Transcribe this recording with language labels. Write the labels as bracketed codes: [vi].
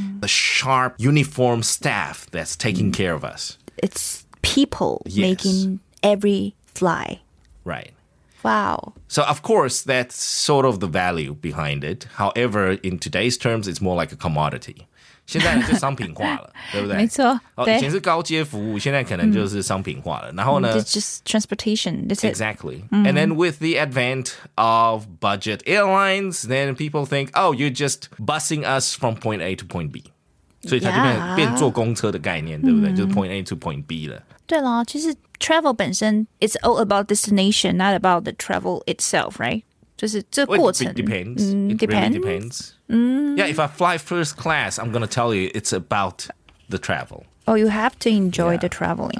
[en] the sharp uniform staff that's taking care of us. It's people yes. making every fly. Right. Wow. So, of course, that's sort of the value behind it. However, in today's terms, it's more like a commodity. [zh] 现在就商品化了，对不对？没错。哦，以前是高阶服务，现在可能就是商品化了。然后呢 [en] ？It's just transportation. That's it. Exactly. And then with the advent of budget airlines, then people think, oh, you're just busing us from point A to point B. [zh] 所以它就变坐公车的概念，对不对？就是 [en] point A to point B [zh] 了。对了，其实 [en] travel [zh] 本身 [en] it's all about destination, not about the travel itself, right? [zh] 就是这过程 [en] It depends. Yeah, if I fly first class, I'm going to tell you it's about the travel. Oh, you have to enjoy the traveling.